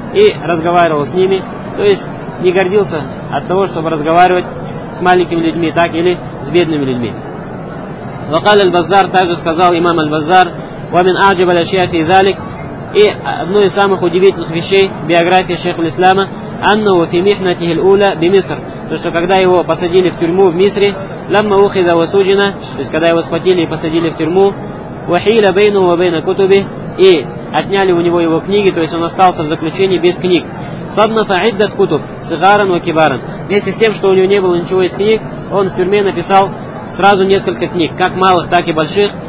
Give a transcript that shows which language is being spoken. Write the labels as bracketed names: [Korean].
[Russian] И разговаривал с ними, то есть не гордился от того, чтобы разговаривать с маленькими людьми, так или с бедными людьми. [Arabic] «Вакал аль-Баззар» [Russian] также сказал имам аль-Баззар, [Arabic] «Вамин аджиба ля шиафи и залик». [Russian] И одно из самых удивительных вещей биографии шейха ислама [Arabic] أنه في محنته الأولى بمصر. [Russian] То есть, когда его посадили в тюрьму в Мисре, [Arabic] لَمَّ أُخِذَ وَسُجِنَ, [Russian] то есть, когда его схватили и посадили в тюрьму, [Arabic] وَحِيلَ بَيْنُهُ وَبَيْنَ كُتُبِهِ, [Russian] и отняли у него его книги, то есть, он остался в заключении без книг. [Arabic] صَدْنَفَ عِدَّةَ كُتُبْ صِغَارًا وَكِبَارًا, [Russian] вместе с тем, что у него не было ничего из книг, он в тюрьме написал сразу несколько книг, как малых, так и больших.